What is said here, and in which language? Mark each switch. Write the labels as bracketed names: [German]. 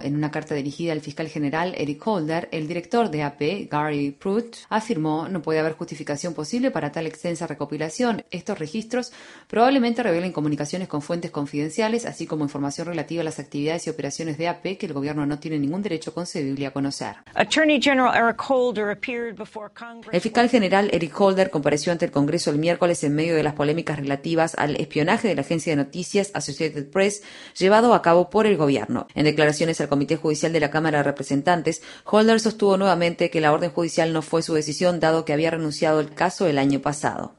[Spanish] En una carta dirigida al fiscal general Eric Holder, el director de AP, Gary Prout, afirmó: no puede haber justificación posible para tal extensa recopilación. Estos registros probablemente revelen comunicaciones con fuentes confidenciales, así como información relativa a las actividades y operaciones de AP que el gobierno no tiene ningún derecho a 11 Biblia a Conocer. [English] Attorney General Eric Holder appeared before Congress. [Spanish] El fiscal general Eric Holder compareció ante el Congreso el miércoles en medio de las polémicas relativas al espionaje de la agencia de noticias Associated Press llevado a cabo por el gobierno. En declaraciones al Comité Judicial de la Cámara de Representantes, Holder sostuvo nuevamente que la orden judicial no fue su decisión dado que había renunciado al caso el año pasado.